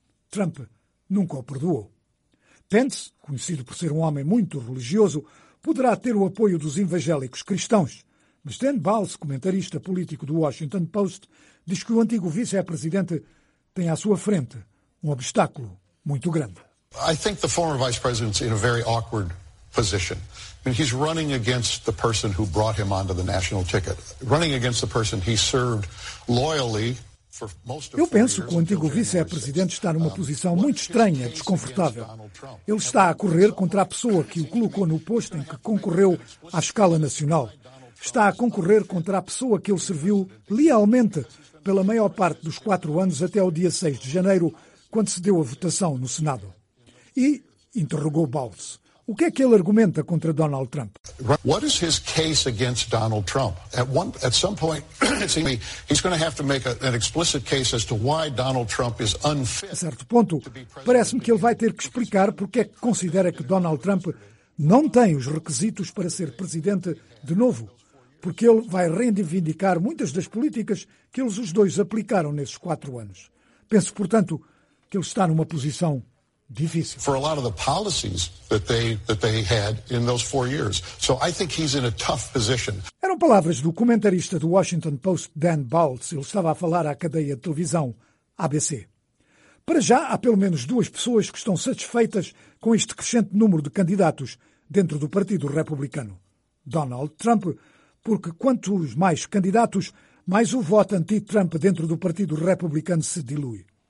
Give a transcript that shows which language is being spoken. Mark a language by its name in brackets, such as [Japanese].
[Portuguese] Trump nunca o perdoou. Pence, conhecido por ser um homem muito religioso, poderá ter o apoio dos evangélicos cristãos. Mas Dan Bals, comentarista político do Washington Post, diz que o antigo vice-presidente tem à sua frente um obstáculo muito grande. [English] I think the former vice president's in a very awkward position. I mean, he's running against the person who brought him onto the national ticket. Running against the person he served loyally. [Portuguese] Eu penso que o antigo vice-presidente está numa posição muito estranha, desconfortável. Ele está a correr contra a pessoa que o colocou no posto em que concorreu à escala nacional. está a concorrer contra a pessoa que ele serviu lealmente pela maior parte dos 4 anos até ao dia 6 de janeiro, quando se deu a votação no Senado. E interrogou Bowles. O que é que ele argumenta contra Donald Trump? [English] What is his case against Donald Trump? At some point, it seems to me, he's going to have to make an explicit case as to why Donald Trump is unfit. [Portuguese] A certo ponto, parece-me que ele vai ter que explicar porque é que considera que Donald Trump não tem os requisitos para ser presidente de novo, porque ele vai reivindicar muitas das políticas que eles os dois aplicaram nesses 4 anos. Penso, portanto, que ele está numa posição difícil. [English] For a lot of the policies that they had in those 4 years. So I think he's in a tough position. [Portuguese] Eram palavras do comentarista do Washington Post, Dan Bowles. Ele estava a falar à cadeia de televisão ABC. Para já, há pelo menos 2 pessoas que estão satisfeitas com este crescente número de candidatos dentro do Partido Republicano. Donald Trump, porque quantos mais candidatos, mais o voto anti-Trump dentro do Partido Republicano se dilui.